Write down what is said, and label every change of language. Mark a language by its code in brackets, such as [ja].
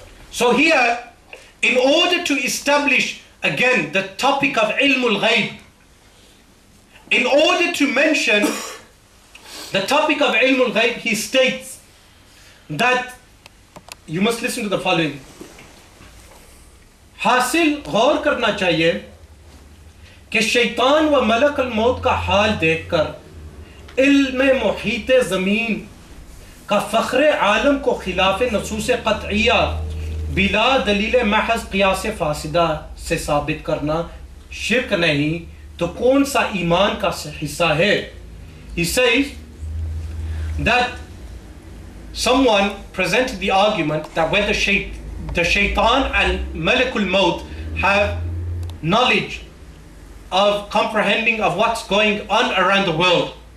[en] So here, in order to establish again the topic of ilmul ghayb, in order to mention the topic of ilmul ghayb, he states that you must listen to the following. [ur] حاصل غور کرنا چاہیے کہ شیطان و ملک الموت کا حال دیکھ کر علم محیط زمین کا فخر عالم کو خلاف نصوص قطعیہ بلا دلیل محض قیاس فاسدہ سے ثابت کرنا شرک نہیں تو کون سا ایمان کا حصہ ہے. [en] He says that someone presented the argument that whether the shaitan and malakul maut have knowledge of comprehending of what's going on around the world.